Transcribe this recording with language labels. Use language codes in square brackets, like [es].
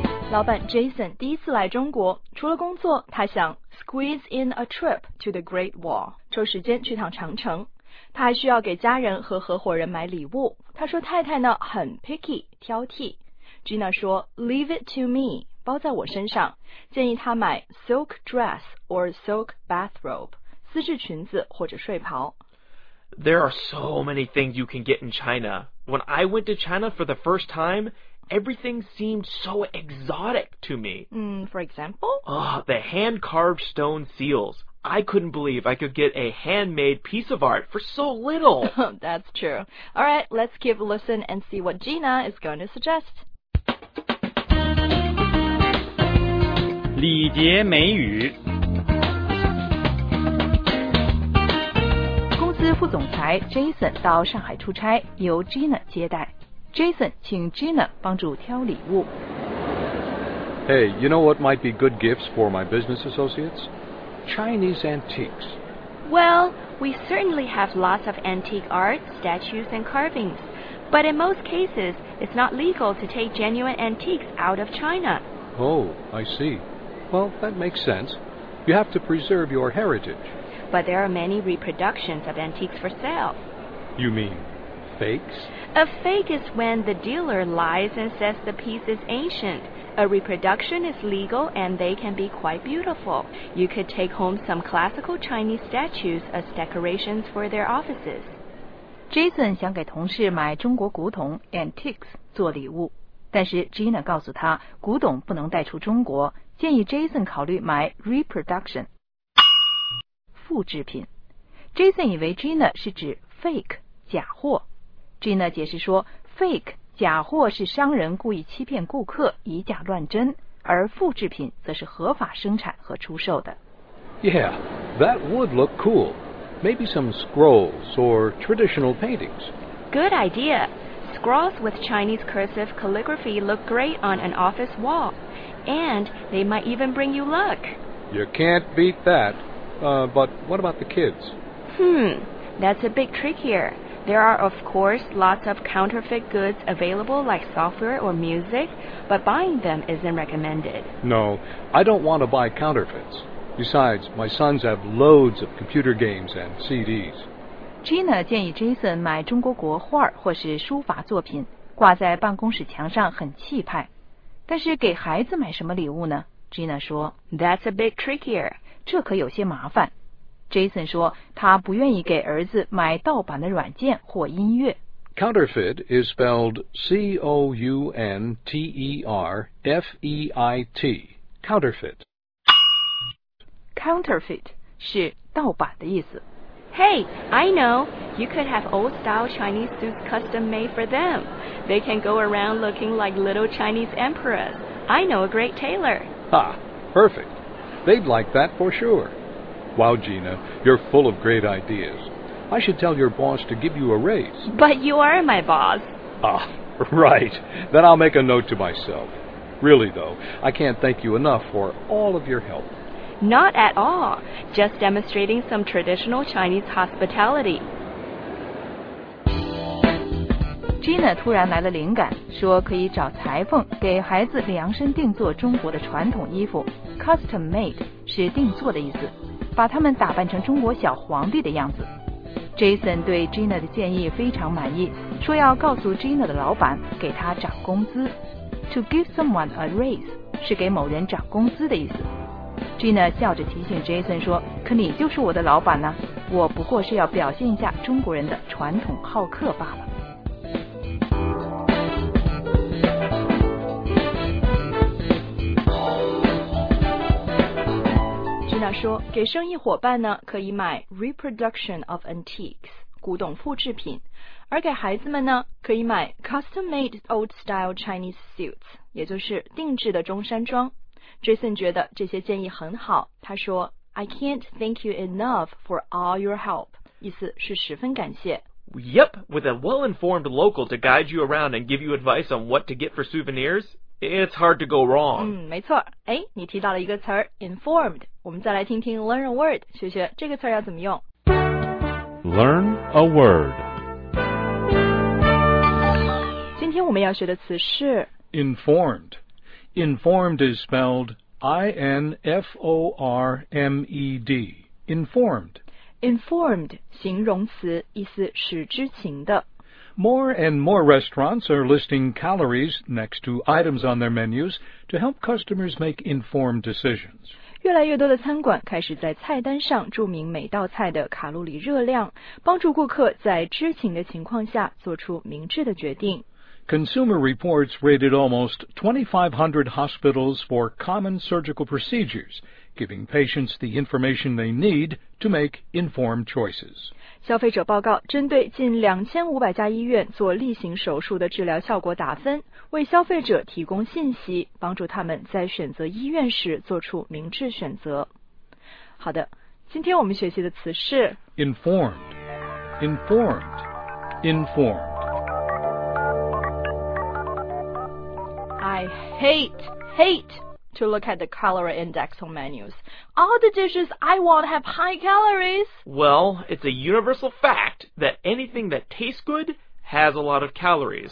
[zh] 老板 Jason 第一次来中国，除了工作，他想 [en] squeeze in a trip to the Great Wall， [zh] 抽时间去趟长城。他还需要给家人和合伙人买礼物。他说太太呢很 picky， 挑剔。 Gina 说 [en] leave it to me， [zh] 包在我身上，建议他买 [en] silk dress or silk bathrobe， [zh] 丝质裙子或者睡袍。 [en] There are so many things you can get in China. When I went to China for the first time,Everything seemed so exotic to me. For example? The hand-carved stone seals. I couldn't believe I could get a handmade piece of art for so little. That's true. All right, let's give a listen and see what Gina is going to suggest. [zh] 礼节美语。公司副总裁 Jason 到上海出差，由 Gina 接待。 Jason 请 Gina 帮助挑礼物。 [en] Hey, you know what might be good gifts for my business associates? Chinese antiques. Well, we certainly have lots of antique art, statues and carvings. But in most cases, it's not legal to take genuine antiques out of China. Oh, I see. Well, that makes sense. You have to preserve your heritage. But there are many reproductions of antiques for sale. You mean... Fakes? A fake is when the dealer lies and says the piece is ancient. A reproduction is legal and they can be quite beautiful. You could take home some classical Chinese statues as decorations for their offices. [zh] Jason 想给同事买中国古董 antiques 做礼物，但是 Gina 告诉他古董不能带出中国，建议 Jason 考虑买 reproduction 复制品。 Jason 以为 Gina 是指 fake 假货。 Gina 解释说 ,fake, 假货是商人故意欺骗顾客以假乱真，而复制品则是合法生产和出售的。 [en] Yeah, that would look cool. Maybe some scrolls or traditional paintings. Good idea. Scrolls with Chinese cursive calligraphy look great on an office wall. And they might even bring you luck. You can't beat that. But what about the kids? That's a bit trickier. There are, of course, lots of counterfeit goods available like software or music, but buying them isn't recommended. No, I don't want to buy counterfeits. Besides, my sons have loads of computer games and CDs. [zh] Gina 建议 Jason 买中国国画或是书法作品，挂在办公室墙上很气派。但是给孩子买什么礼物呢？ Gina 说 [en] That's a bit trickier. [zh] 这可有些麻烦。 Jason 说他不愿意给儿子买盗版的软件或音乐。 [en] Counterfeit is spelled C-O-U-N-T-E-R-F-E-I-T. Counterfeit. [zh] Counterfeit 是盗版的意思。 [en] Hey, I know. You could have old-style Chinese suits custom-made for them. They can go around looking like little Chinese emperors. I know a great tailor. Ha, perfect. They'd like that for sure. Wow, Gina, you're full of great ideas. I should tell your boss to give you a raise. But you are my boss. Ah, right. Then I'll make a note to myself. Really, though, I can't thank you enough for all of your help. Not at all. Just demonstrating some traditional Chinese hospitality. [zh] Gina 突然来了灵感，说可以找裁缝给孩子量身定做中国的传统衣服。 Custom made 是定做的意思，把他们打扮成中国小皇帝的样子。 Jason 对 Gina 的建议非常满意，说要告诉 Gina 的老板给他涨工资。 [en] To give someone a raise [zh] 是给某人涨工资的意思。 Gina 笑着提醒 Jason 说，可你就是我的老板呢，我不过是要表现一下中国人的传统好客罢了。 Gina 说，给生意伙伴呢，可以买 [en] reproduction of antiques [zh] 古董复制品，而给孩子们呢，可以买 [en] custom made old style Chinese suits， [zh] 也就是定制的中山装。 Jason 觉得这些建议很好，他说 [en] I can't thank you enough for all your help， [zh] 意思是十分感谢。 [en] Yep, with a well-informed local to guide you around and give you advice on what to get for souvenirs, it's hard to go wrong. [zh] 没错。哎，你提到了一个词 informed， 我们再来听听 [en] learn a word， [zh] 学学这个词要怎么用。 [en] Learn a word。 [zh] 今天我们要学的词是 [en] informed。 Informed is spelled I-N-F-O-R-M-E-D. Informed. [zh] Informed, 形容词，意思使知情的。 [en] More and more restaurants are listing calories next to items on their menus to help customers make informed decisions. [zh] 越来越多的餐馆开始在菜单上注明每道菜的卡路里热量，帮助顾客在知情的情况下做出明智的决定。 [en] Consumer Reports rated almost 2,500 hospitals for common surgical procedures, giving patients the information they need to make informed choices. [zh] 消费者报告针对近2500家医院做例行手术的治疗效果打分，为消费者提供信息，帮助他们在选择医院时做出明智选择。好的，今天我们学习的词是 [en] informed, informed, informed. I hate to look at the calorie index on menus. All the dishes I want have high calories. Well, it's a universal fact that anything that tastes good has a lot of calories.